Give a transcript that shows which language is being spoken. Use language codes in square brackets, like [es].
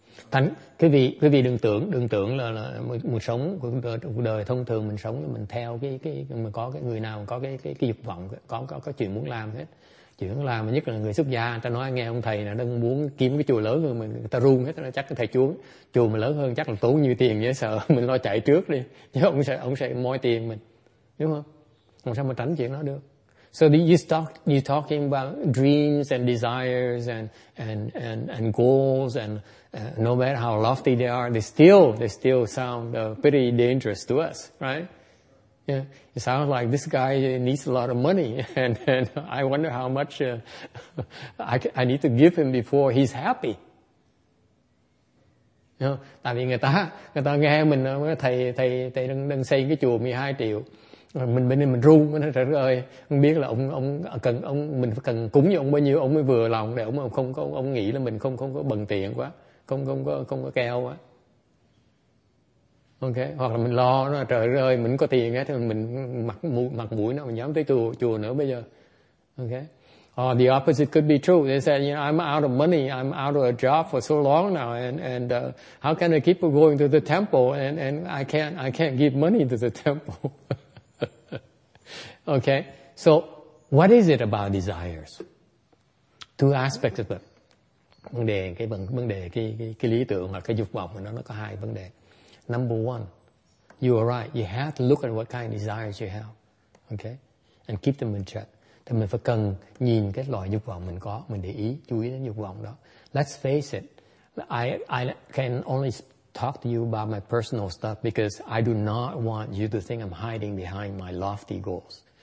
[vi] Thành quý vị đừng tưởng là một sống cuộc đời thông thường, mình sống mình theo cái mà có cái người nào có cái dục vọng, có chuyện muốn làm hết, chuyện muốn làm, nhất là người xuất gia, người ta nói nghe ông thầy nào đang muốn kiếm cái chùa lớn hơn mình, người ta run hết, nó chắc cái thầy chùa mà lớn hơn chắc là tốn nhiều tiền, dễ sợ mình lo chạy trước đi, chứ ông sẽ moi tiền mình, đúng không? Làm sao mà tránh chuyện đó được? [en] So you're talking about dreams and desires and goals, and no matter how lofty they are, they still sound pretty dangerous to us, right? Yeah, it sounds like this guy needs a lot of money, and I wonder how much I need to give him before he's happy. [vi] Tại vì người ta nghe mình thầy đang xây cái chùa 12 triệu. Mình bên đây mình run, mình nói trời ơi, không biết là ông cần, ông mình cần cúng với ông bao nhiêu ông mới vừa lòng, để ông không có, ông nghĩ là mình không có bần tiện quá, không có keo quá. Ok, hoặc là mình lo nó trời ơi mình có tiền á thì mình mặt mũi nó mình dám tới chùa nữa bây giờ. Ok, [en] The opposite could be true. They said, you know, I'm out of money, I'm out of a job for so long now, and how can I keep going to the temple? And I can't give money to the temple. Okay? So what is it about desires? Two aspects of it. [vi] Vấn đề, cái lý tưởng hoặc cái dục vọng của nó có hai vấn đề. [en] Number one, you are right. You have to look at what kind of desires you have. Okay? And keep them in check. [vi] Thì mình phải cần nhìn cái loại dục vọng mình có, mình để ý, chú ý đến dục vọng đó. [en] Let's face it, I can only talk to you about my personal stuff because I do not want you to think I'm hiding behind my lofty goals.